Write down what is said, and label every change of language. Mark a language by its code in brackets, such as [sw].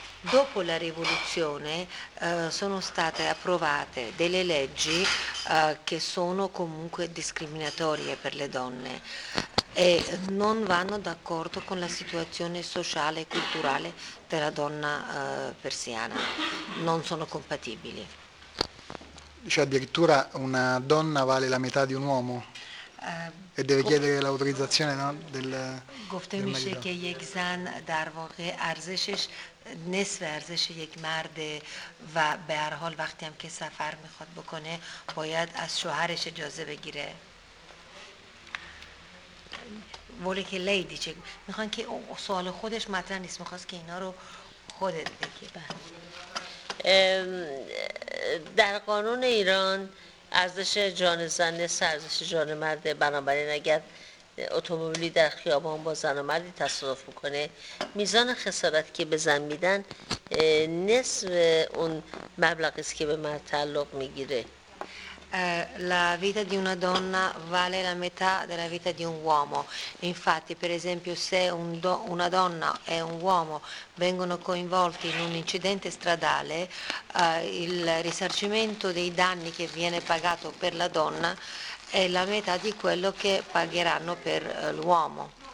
[it] Dopo la rivoluzione sono state approvate delle leggi che sono comunque discriminatorie per le donne e non vanno d'accordo con la situazione sociale e culturale della donna persiana. Non sono compatibili. Cioè addirittura una donna vale la metà di un uomo? E deve chiedere l'autorizzazione, no? del [fa] گفته میشه که یک زن در واقع ارزشش نصف ارزش یک مرد و به هر حال وقتی هم که سفر میخواد بکنه باید از شوهرش اجازه بگیره. ولی که لیدی چه میخوان که سوال خودش مطرح نیست، میخواست که اینا رو خودت بگی. در قانون ایران ارزش جان زن نصف ارزش جان مرده، بنابراین اگر اتومبیلی در خیابان با زن و مردی تصادف میکنه، میزان خسارتی که به زن میدن نصف اون مبلغی است که به مرد تعلق میگیره. [it] La vita di una donna vale la metà della vita di un uomo. Infatti, per esempio, se una donna e un uomo vengono coinvolti in un incidente stradale, il risarcimento dei danni che viene pagato per la donna è la metà di quello che pagheranno per l'uomo.